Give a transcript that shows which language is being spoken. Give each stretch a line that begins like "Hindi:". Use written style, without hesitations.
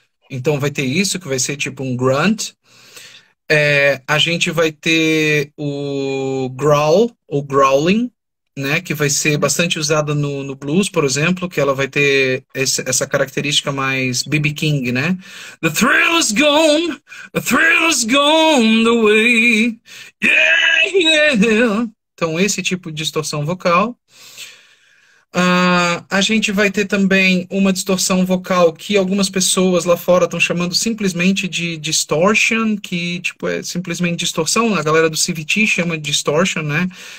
Portuguese: Então vai ter isso, que vai ser tipo um grunt. A gente vai ter o growl, ou growling, né, que vai ser bastante usada no blues, por exemplo, que ela vai ter essa característica mais B.B. King, né?
English: The thrill is gone, the thrill is gone the way, yeah.
Portuguese: Então, esse tipo de distorção vocal. A gente vai ter também uma distorção vocal que algumas pessoas lá fora estão chamando simplesmente de distortion, que, tipo, é simplesmente distorção, a galera do CVT chama de distortion, né?